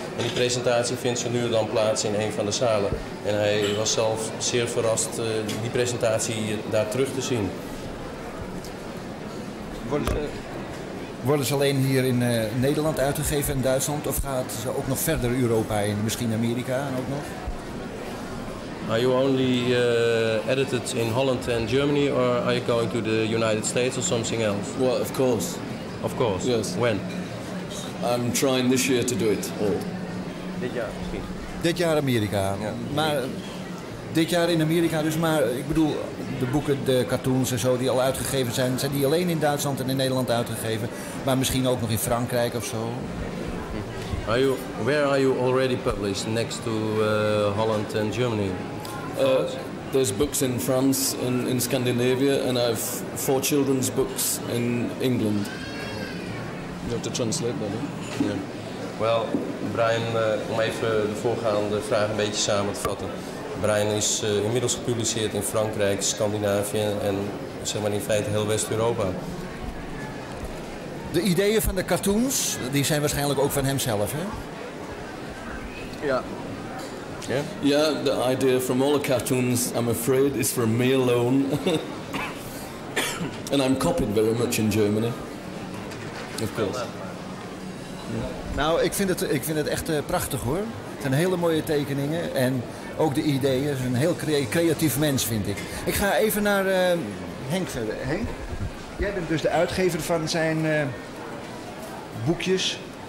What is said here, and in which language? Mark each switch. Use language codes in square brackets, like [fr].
[nl] En die presentatie vindt zo nu dan plaats in een van de zalen. En hij was zelf zeer verrast die presentatie daar terug te zien. Worden ze alleen hier in Nederland uitgegeven in Duitsland? Of gaat ze ook nog verder Europa in? Misschien Amerika en ook nog? [en] Are you only edited in Holland and Germany? Or are you going to the United States or something else? Well, of course. Of course? Yes. When? I'm trying this year to do it all. [nl] Dit jaar misschien. Dit jaar Amerika. Ja. Maar dit jaar in Amerika dus. Maar ik bedoel, de boeken, de cartoons en zo die al uitgegeven zijn. Zijn die alleen in Duitsland en in Nederland uitgegeven? Maar misschien ook nog in Frankrijk of zo? [en] Are you, where are you already published? Next to Holland and Germany? There's books in France and in Scandinavia. And I have 4 children's books in England. You have to translate that, eh? Yeah. Well... [nl] Brian, om even de voorgaande vraag een beetje samen te vatten. Brian is inmiddels gepubliceerd in Frankrijk, Scandinavië en zeg maar in feite heel West-Europa. De ideeën van de cartoons, die zijn waarschijnlijk ook van hemzelf, hè? Ja. Ja? [en] Ja, the idea from all the cartoons, I'm afraid, is from me alone. And I'm copied very much in Germany. Of course. [nl] Nou, ik vind het echt prachtig hoor. Het zijn hele mooie tekeningen en ook de ideeën. Het is een heel creatief mens, vind ik. Ik ga even naar Henk verder. Henk, jij bent dus de uitgever van zijn boekjes.